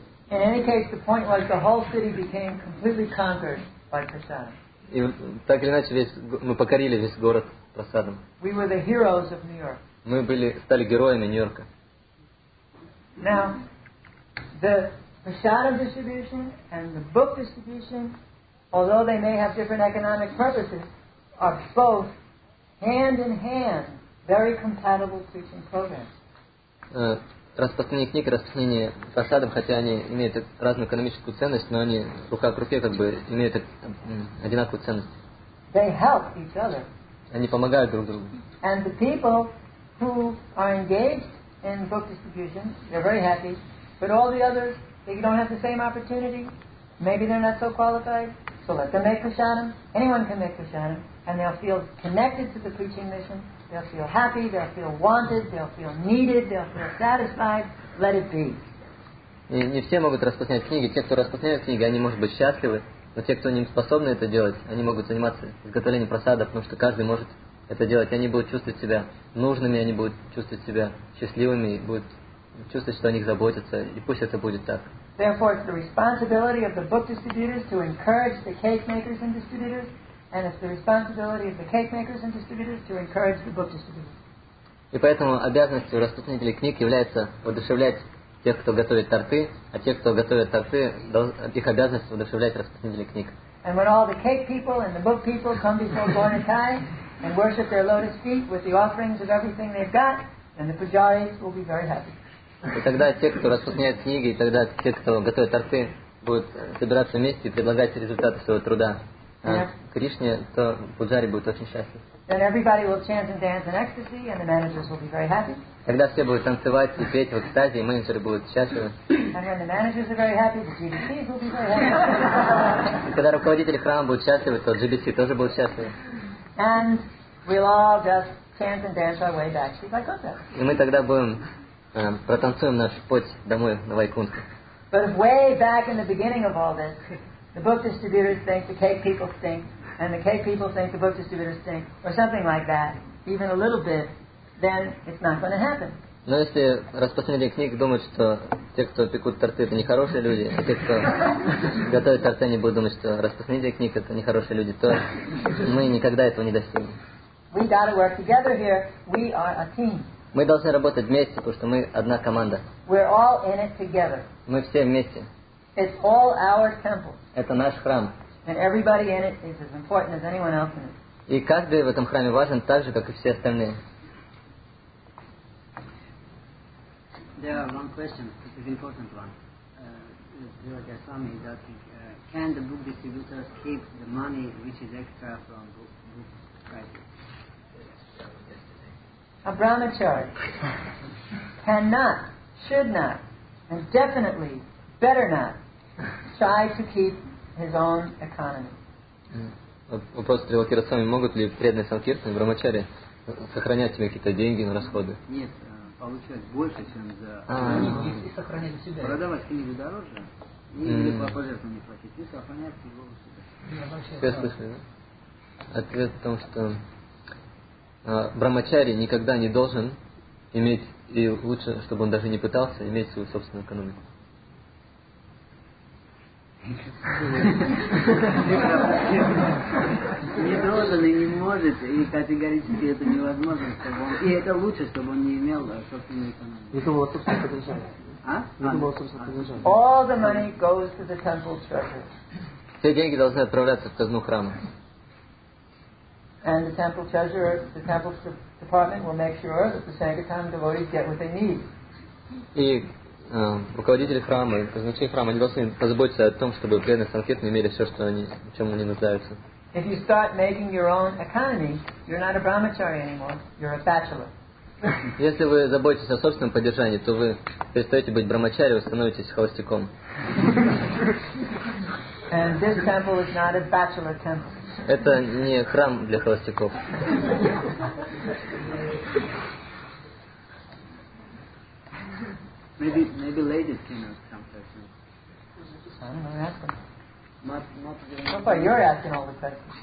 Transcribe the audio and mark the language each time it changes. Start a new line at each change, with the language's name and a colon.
English: In any case, the point was the whole city became completely conquered by prasadam.
Russian: И так или иначе, мы покорили весь город прасадом.
English: We were the heroes of New York.
Russian: Мы стали героями Нью-Йорка.
English: Now, the prasadam distribution and the book distribution, although they may have different economic purposes, are both hand in hand, very compatible teaching programs.
Russian: Распространение книг и распространение просадом, хотя они имеют разную экономическую ценность, но они рука к руке как бы имеют одинаковую ценность.
English: They help each other.
Russian: Они помогают друг другу.
English: And the people who are engaged in book distribution, they're very happy. But all the others, they don't have the same opportunity. Maybe they're not so qualified. So let them make prasadam. Anyone can make prasadam. And they'll feel connected to the preaching mission. They'll feel happy. They'll feel wanted. They'll feel needed. They'll feel satisfied. Let it be.
Russian: Не все могут распространять книги. Те, кто распространяет книги, они могут быть счастливы. Но те, кто не способны это делать, они могут заниматься изготовлением просада, потому что каждый может это делать. И они будут чувствовать себя нужными, они будут чувствовать себя счастливыми, и будут чувствовать, что о них заботятся. И пусть это будет так.
English: Therefore, it's the responsibility of the book distributors to encourage the cake makers and distributors, and it's the responsibility of the cake makers and distributors to encourage the book distributors.
Russian: И поэтому обязанностью распространителей книг является воодушевлять тех, кто готовит торты, а те, кто готовит торты, их обязанность воодушевлять распространителей книг.
English: And when all the cake people and the book people come before Gornatai and worship their lotus feet with the offerings of everything they've got, then the pujaris will be very happy.
Russian: И тогда те, кто распространяет книги, и тогда те, кто готовит торты, будут собираться вместе и предлагать результаты своего труда Кришне, то пуджари будут очень счастливы.
English: Then everybody will chant and dance in ecstasy, and the managers will be very happy.
Russian: Тогда все будут танцевать и петь в экстазе, и менеджеры будут счастливы.
English: And when the managers are very happy, the GBCs will be very happy.
Russian: И когда руководители храма будут счастливы, то GBC тоже будут счастливы.
English: And we'll all just chant and dance our way back to Vaikuntha.
Russian: И мы тогда будем протанцуем наш путь домой на Вайкунту.
English: But way back in the beginning of all this, the book distributors think the cake people stink, and the cake people think the book distributors stink, or something like that, even a little bit, then it's not going to happen.
Russian: Но если распространители книг думают, что те, кто пекут торты, это нехорошие люди, а те, кто готовит торты, они будут думать, что распространители книг это нехорошие люди, то мы никогда этого не достигнем.
English: We gotta work together here. We are a team.
Russian: Мы должны работать вместе, потому что мы одна команда.
English: We're all in it together.
Russian: Мы все вместе.
English: It's all our temple.
Russian: Это наш храм.
English: And everybody in it is as important as anyone else in it.
Russian: И каждый в этом храме важен так же, как и все остальные.
English: There are one question. It is an important one. Dr. Swami is asking, can the book distributors keep the money which is extra from book prices? A brahmachari cannot, should not, and definitely better not try to keep his own economy.
Russian: Вопрос Трилоки Расвами, могут ли преданные санкиртаны, брахмачари, сохранять себе какие-то деньги на расходы? Нет, получать больше, чем за... И сохранять себя. Продавать книгу дороже, или по пожертвованию платить, и сохранять его у себя. Все слышали, да? Ответ в том, что... Брахмачари никогда не должен иметь, и лучше, чтобы он даже не пытался иметь свою собственную экономику. Не должен и не может, и категорически это невозможно, чтобы он... И это лучше, чтобы он не имел собственную экономику. Не думал о собственном содержании. А? Не думал о собственном содержании.
English: All the money goes to the temple treasury.
Russian: Все деньги должны отправляться в казну храма.
English: And the temple treasurer, the temple department will make sure that the Sankirtan devotees get what they need.
Russian: И руководители храма, казначей храма, они должны позаботиться о том, чтобы преданные санкиртаны имели все, что они, чем они нуждаются.
English: If you start making your own economy, you're not a brahmachari anymore, you're a bachelor.
Russian: Если вы заботитесь о собственном поддержании, то вы перестаете быть брахмачари, вы становитесь холостяком.
English: And this temple is not a bachelor temple.
Russian: Это не храм для холостяков.
English: Maybe ladies can ask some questions. I don't know, ask them. Not so far, you're asking all the questions.